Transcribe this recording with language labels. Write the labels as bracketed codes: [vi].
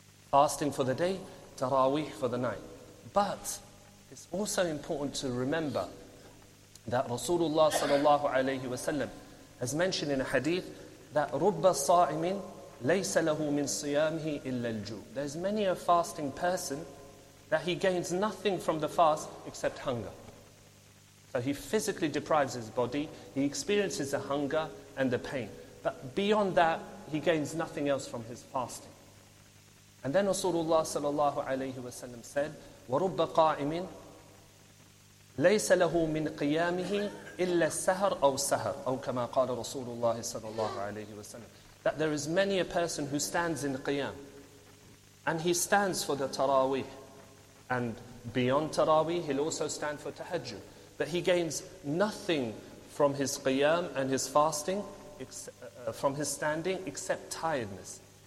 [en] Fasting for the day, Taraweeh for the night. But it's also important to remember that Rasulullah sallallahu alayhi wa sallam has mentioned in a hadith that [ar] رُبَّ الصَّائِمٍ لَيْسَ لَهُ مِنْ صِيَامْهِ إِلَّا الْجُوْ. [en] There's many a fasting person that he gains nothing from the fast except hunger. So he physically deprives his body, he experiences the hunger and the pain. But beyond that, he gains nothing else from his fasting. And then Rasulullah sallallahu alayhi wa sallam said, [ar] وَرُبَّ قَائِمٍ لَيْسَ لَهُ مِنْ قِيَامِهِ إِلَّا السَّهَرْ أَوْ سَهَرْ أَوْ كَمَا قَالَ رَسُولُ اللَّهِ صَلَى اللَّهُ عَلَيْهِ وَسَلَّمْ. [en] That there is many a person who stands in qiyam, and he stands for the taraweeh, and beyond taraweeh, he'll also stand for tahajjud. But he gains nothing from his qiyam and his fasting, from his standing, except tiredness.